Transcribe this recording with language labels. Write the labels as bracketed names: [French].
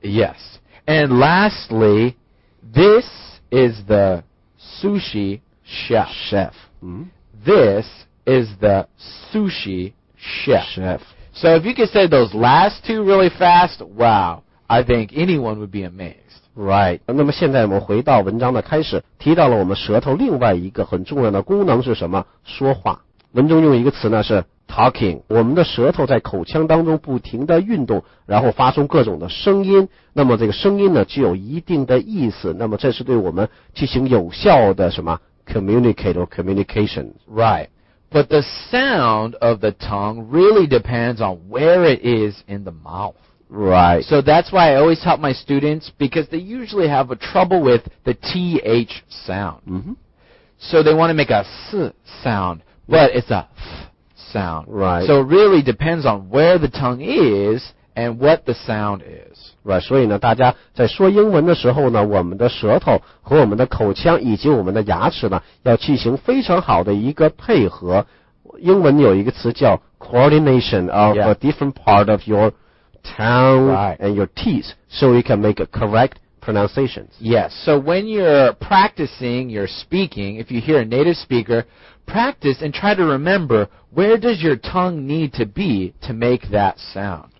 [English] Yes. And lastly, this is the sushi chef. Chef. Mm-hmm. This is the sushi chef. Chef. So if you could say those last two really fast, wow, I think anyone would be amazed. Right. [Chinese] 那么现在我们回到文章的开始，提到了我们舌头另外一个很重要的功能是什么？说话。文中用一个词呢是 talking， 我们的舌头在口腔当中不停的运动，然后发出各种的声音，那么这个声音呢具有一定的意思，那么这是对我们进行有效的什么 [English] Communicate or communication. Right. But the sound of the tongue really depends on where it is in the mouth. Right. So that's why I always help my students because they usually have a trouble with the TH sound. Mm-hmm. So they want to make a S sound, but it's a F sound. Right. So it really depends on where the tongue is and what the sound is. Right, [Chinese] 所以呢大家在说英文的时候呢，我们的舌头和我们的口腔以及我们的牙齿呢要进行非常好的一个配合。英文有一个词叫 [English] coordination of a different part of your tongue and your teeth so you can make a correct pronunciation. Yes, so when you're practicing your speaking, if you hear a native speaker, practice and try to remember where does your tongue need to be to make that sound.